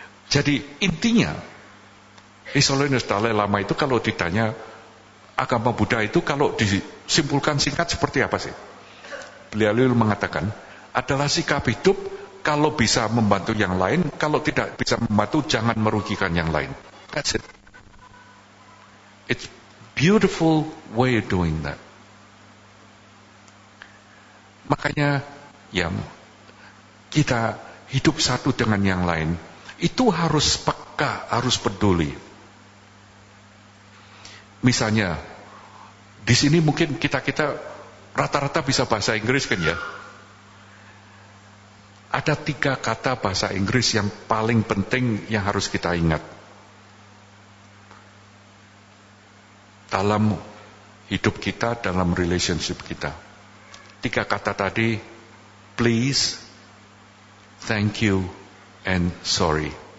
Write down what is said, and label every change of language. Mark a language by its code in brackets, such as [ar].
[id] Jadi intinya, Thessalonians Dalai Lama itu kalau ditanya, agama Buddha itu kalau disimpulkan singkat seperti apa sih? Beliau mengatakan, adalah sikap hidup kalau bisa membantu yang lain, kalau tidak bisa membantu jangan merugikan yang lain. [en] That's it. It's beautiful way of doing that. [id] Makanya yang kita hidup satu dengan yang lain itu harus peka, harus peduli. Misalnya di sini mungkin kita rata-rata bisa bahasa Inggris kan ya. Ada tiga kata bahasa Inggris yang paling penting yang harus kita ingat dalam hidup kita, dalam relationship kita. Tiga kata tadi, [en] please, thank you, and sorry.